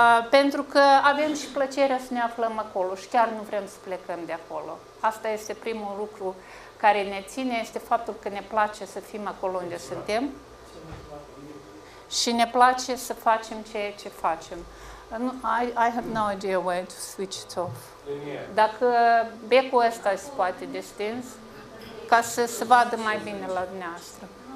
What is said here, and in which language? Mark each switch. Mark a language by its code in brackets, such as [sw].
[ro] Pentru că avem și plăcerea să ne aflăm acolo și chiar nu vrem să plecăm de acolo. Asta este primul lucru care ne ține, este faptul că ne place să fim acolo unde suntem. Și ne place să facem ceea ce facem. [en] I have no idea where to switch it off. [ro] Dacă becul ăsta se poate destins, ca să se vadă mai bine la dumneavoastră.